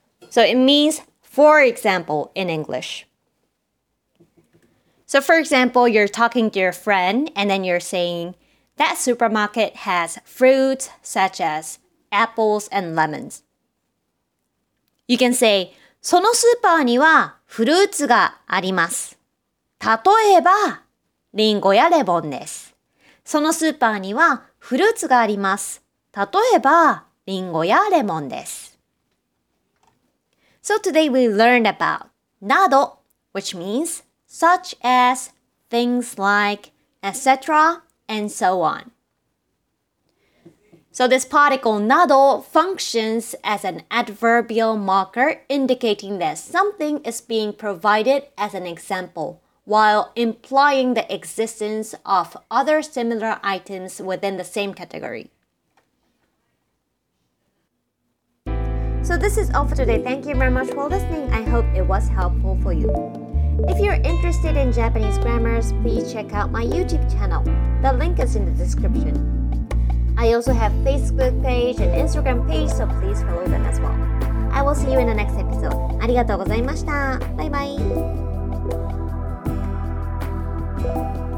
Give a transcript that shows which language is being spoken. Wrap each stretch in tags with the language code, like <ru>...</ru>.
<en>So it means, for example, in English. So for example, you're talking to your friend and then you're saying, that supermarket has fruits such as apples and lemons. You can say,</en> <ja>そのスーパーにはフルーツがあります。例えば、リンゴやレモンです。そのスーパーにはフルーツがあります。例えば、リンゴやレモンです。</ja> <en>So today we learned about など, which means,Such as, things like, etc., and so on. So this particle など functions as an adverbial marker indicating that something is being provided as an example while implying the existence of other similar items within the same category. So this is all for today. Thank you very much for listening. I hope it was helpful for you. If you're interested in Japanese grammars, please check out my YouTube channel. The link is in the description. I also have Facebook page and Instagram page, so please follow them as well. I will see you in the next episode.</en> <ja>ありがとうございました。バイバイ。</ja>